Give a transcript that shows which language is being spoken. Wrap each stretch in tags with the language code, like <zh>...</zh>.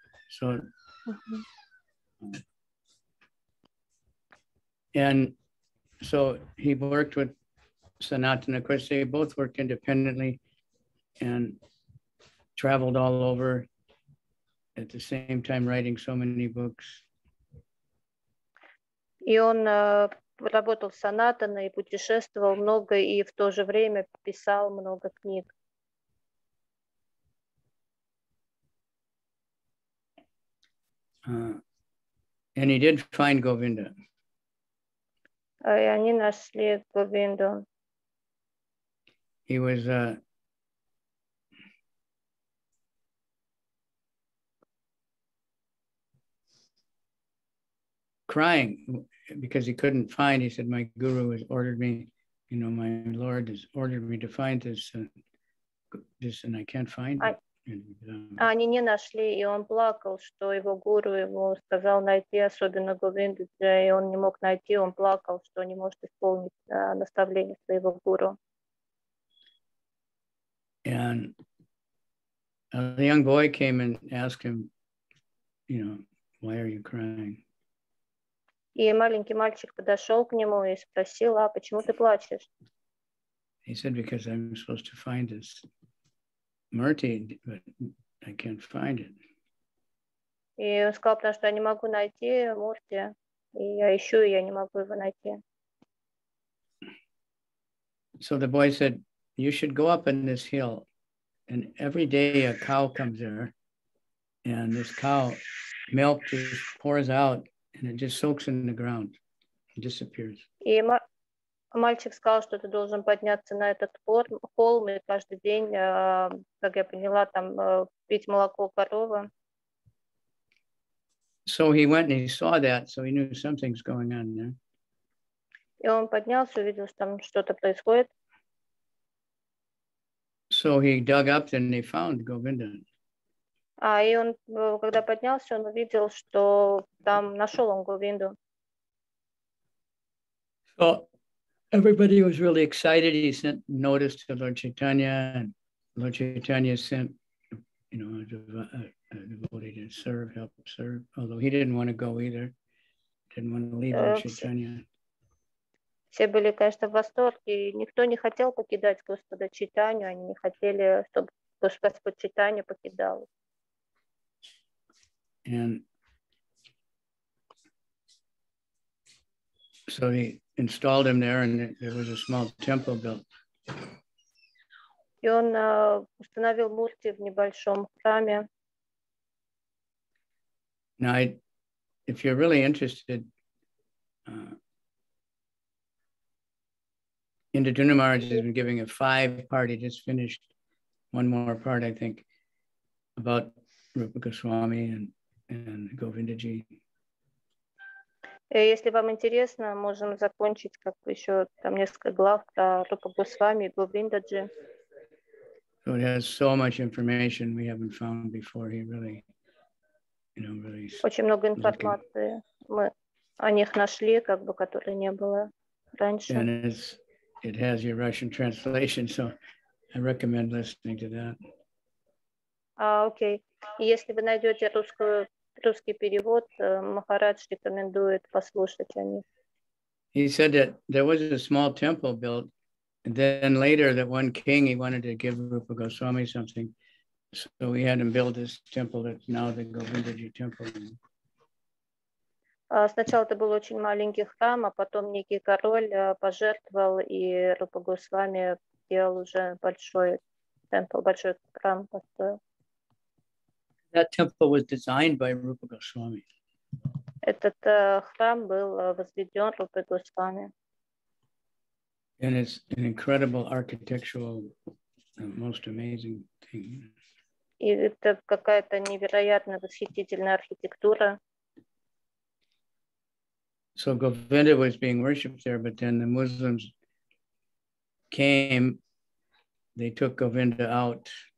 <en>So, and so he worked with Sanatana. Of course, they both worked independently and traveled all over at the same time, writing so many books.</en> <ru>И он работал с Санатана и путешествовал много и в то же время писал много книг.</ru> <en>And he did find Govinda.</en> <ru>И они нашли Говинду.</ru> <en>He was a crying because he couldn't find. He said, "My guru has ordered me, you know, my Lord has ordered me to find this, this, and I can't find it."</en> <ru>Они не нашли, и он плакал, что его гуру ему сказал найти особенно Говинду, и он не мог найти, он плакал, что не может исполнить наставление своего гуру.</ru> <en>And a young boy came and asked him, you know, why are you crying?</en> <ru>И маленький мальчик подошел к нему и спросил, а почему ты плачешь?</ru> <en>He said, because I'm supposed to find this. Murti, but I can't find it.</en> <ru>И он сказал, потому что я не могу найти Мурти, и я ищу, и я не могу его найти.</ru> <en>So the boy said, "You should go up in this hill, and every day a cow comes there, and this cow milk just pours out, and it just soaks in the ground, and disappears."</en> <ru>Мальчик сказал, что ты должен подняться на этот холм и каждый день, как я поняла, там пить молоко коровы.</ru> <en>So he went and he saw that, so he knew something's going on there.</en> <ru>И он поднялся, увидел, что там что-то происходит.</ru> <en>So he dug up and he found Govinda.</en> <ru>И он, когда поднялся, он увидел, что там нашел он Говинду.</ru> <en>So everybody was really excited. He sent notice to Lord Chaitanya, and Lord Chaitanya sent, you know, a devotee to serve, help serve, although he didn't want to go either, didn't want to leave Lord Chaitanya.</en> <ru>Все были, конечно, в восторге, и никто не хотел покидать Господа Чайтанью, они не хотели, чтобы Господь Чайтанью покидал.</ru> <en>And so he installed him there, and there was a small temple built.</en> <ru>И он установил Мурти в небольшом храме.</ru> <en>Now, if you're really interested, Indradyumna Maharaj has been giving a 5-party, just finished one more part, I think, about Rupa Goswami and Govindaji.</en> <ru>Если вам интересно, можем закончить как еще там несколько глав про Рупа Госвами и Говиндаджи.</ru> <en>So it has so much information we haven't found before. He really, you know, really.</en> <ru>Очень много информации мы о них нашли, как бы которой не было раньше.</ru> <en>And it has your Russian translation, so I recommend listening to that.</en> <ru>Окей. Если вы найдете русский перевод, Махарадж рекомендует послушать о них.</ru> <en>He said that there was a small temple built. And then later, that one king, he wanted to give Rupa Goswami something. So he had him build this temple that's now the Govindaji temple.</en> <ru>Сначала это был очень маленький храм, а потом некий король пожертвовал, и Рупа Госвами сделал уже большой темпл, большой храм построил.</ru> <en>That temple was designed by Rupa Goswami.</en> <ru>Этот храм был возведен Рупой Госвами.</ru> <en>And it's an incredible architectural, most amazing thing.</en> <ru>И это какая-то невероятно восхитительная архитектура.</ru> <en>So Govinda was being worshipped there, but then the Muslims came, they took Govinda out.</en>